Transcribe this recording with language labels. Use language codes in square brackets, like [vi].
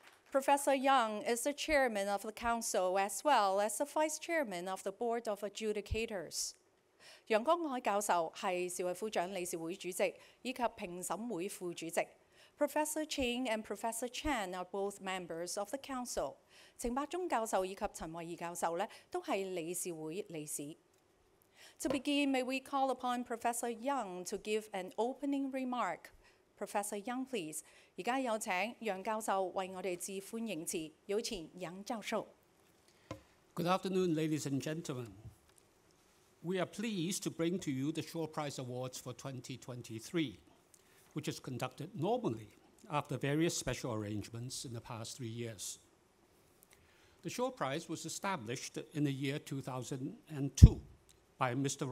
[en] Professor Young is the chairman of the council as well as the vice chairman of the board of adjudicators. [zh] 杨刚凯教授是邵逸夫奖理事会主席以及评审会副主席。 [en] Professor Ching and Professor Chen are both members of the council. [zh] 程伯忠教授以及陳慧儀教授都是理事會理事。 [en] To begin, may we call upon Professor Yang to give an opening remark. Professor Yang, please. [zh] 現在有請楊教授為我們致歡迎詞,有請楊教授。 [en] Good afternoon, ladies and gentlemen. We are pleased to bring to you the Shaw Prize Awards for 2023, which is conducted normally after various special arrangements in the past 3 years. The Shaw Prize was established in the year 2002 by Mr.